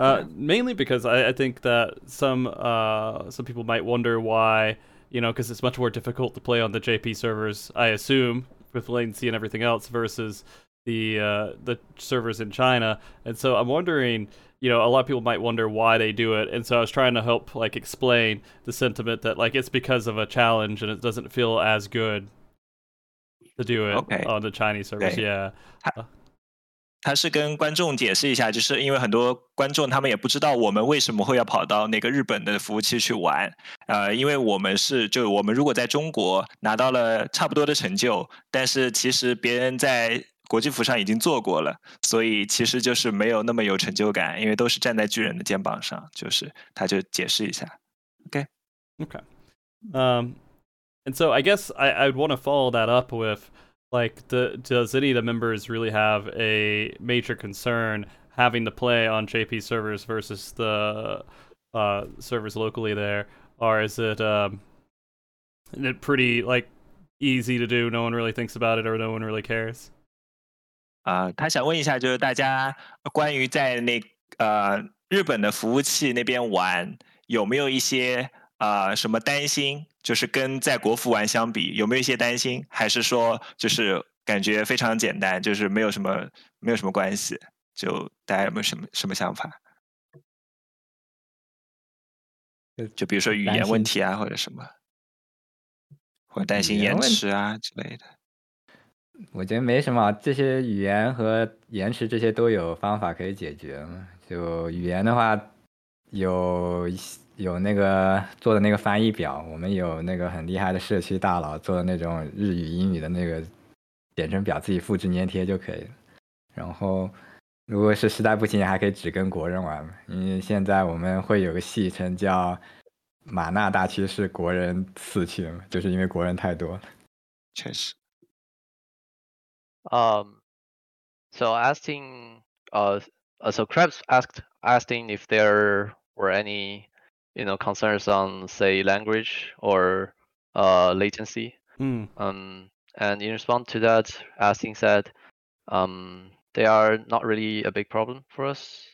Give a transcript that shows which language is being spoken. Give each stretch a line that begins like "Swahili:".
English: Mainly because I think that some people might wonder why, you know, because it's much more difficult to play on the JP servers, I assume, with latency and everything else, versus the servers in China. And so I'm wondering, you know, a lot of people might wonder why they do it. And so I was trying to help, like, explain the sentiment that, like, it's because of a challenge and it doesn't feel as good to do it on the Chinese servers. Okay. Yeah.
Chinese: 他是跟观众解释一下，就是因为很多观众他们也不知道我们为什么会要跑到那个日本的服务器去玩，因为我们是，就我们如果在中国拿到了差不多的成就，但是其实别人在国际服上已经做过了，所以其实就是没有那么有成就感，因为都是站在巨人的肩膀上，就是他就解释一下。
English: OK And so I guess I'd want to follow that up withLike, does any of the members really have a major concern having to play on JP servers versus the servers locally there? Or is it, pretty, like, easy to do? No one really thinks about it or no one really cares?
Chinese: 他想问一下就是大家关于在那日本的服务器那边玩有没有一些什么担心，就是跟在国服玩相比有没有一些担心，还是说就是感觉非常简单，就是没有什么关系，就大家有没有什么想法，就比如说语言问题啊，或者什么，或者担心延迟啊之类的。我觉得没什么，这些语言和延迟这些都有方法可以解决。就语言的话有那个做的那个翻译表，我们有那个很厉害的社区大佬做的那种日语英语的那个简称表，自己复制粘贴就可以了。然后如果是实在不行还可以只跟国人玩，因为现在我们会有个戏称叫马纳大区是国人四区，就是因为国人太多了。确实。
English: So asking so Krebs asking if there were anyyou know, concerns on, say, language or latency. Mm. And in response to that, as Ting said, they are not really a big problem for us.